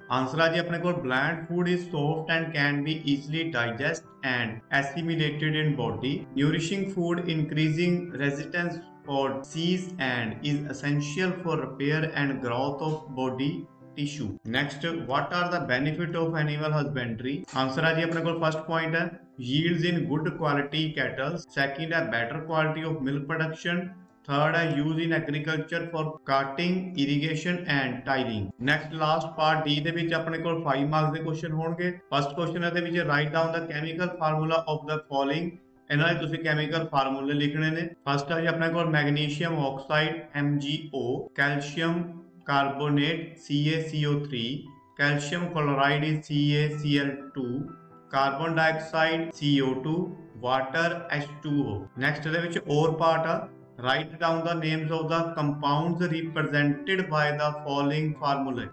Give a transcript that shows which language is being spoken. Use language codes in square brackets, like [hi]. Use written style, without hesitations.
[en] answer [pa] ਆ ਜੀ ਆਪਣੇ ਕੋਲ [en] Bland food is soft and can be easily digest and assimilated in body, nourishing food increasing resistance for disease and is essential for repair and growth of body tissue. Next what are the benefit of animal husbandry. Answer [pa] ਆ ਜੀ ਆਪਣੇ ਕੋਲ [en] First point ਹੈ yields in good quality cattle, second a better quality of milk production, third a use in agriculture for cutting, irrigation and tiling. Next last part D [pa] ਦੇ ਵਿੱਚ ਆਪਣੇ ਕੋਲ 5 marks ਦੇ question ਹੋਣਗੇ। [en] First question [pa] ਦੇ ਵਿੱਚ [en] write down the chemical formula of the following, [pa] ਇਹਨਾਂ ਦੇ ਤੁਸੀਂ ਕੈਮੀਕਲ ਫਾਰਮੂਲੇ ਲਿਖਣੇ ਨੇ। [en] first [pa] ਆ ਜੀ ਆਪਣੇ ਕੋਲ [en] Magnesium oxide MgO, calcium carbonate CaCO3, calcium chloride is CaCl2, carbon dioxide CO2, water H2O। Next [pa] ਦੇ ਵਿੱਚ ਹੋਰ [en] Part ਆ, write down the names of the compounds represented by the following formulae.